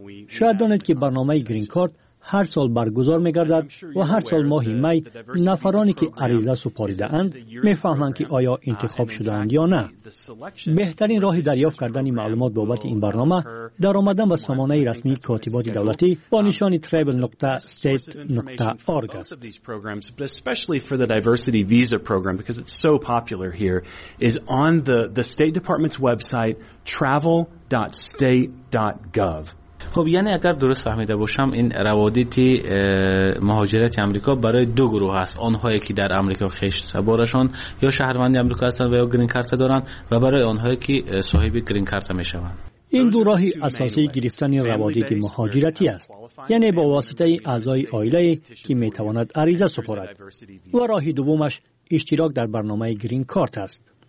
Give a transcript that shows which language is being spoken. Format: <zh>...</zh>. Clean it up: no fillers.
<fa>شاید دانید که برنامه گرین کارت هر سال برگزار می‌گردد و هر سال ماه می نفرانی که عریضه سپاریده‌اند می‌فهمند که آیا انتخاب شده‌اند یا نه. بهترین راه دریافت کردن معلومات بابت این برنامه در آمدن به سامانه رسمی کاتبات دولتی با نشان travel.state.org است.</fa> <en>Especially for the diversity visa program because it's so popular here is on the State Department's website travel.state.gov.</en> <fa>خب یعنی اگر درست فهمیده باشم این روابط مهاجرت آمریکا برای دو گروه است، آنهایی که در آمریکا خشت بارشان یا شهروندی آمریکا هستند و یا گرین کارت دارند و برای آنهایی که صاحب گرین کارت میشوند. این دو راه اساسی گرفتن روابط مهاجرتی است، یعنی با واسطه اعضای عائله که میتواند عریضه سپارد، و راه دومش اشتراک در برنامه گرین کارت است.</fa>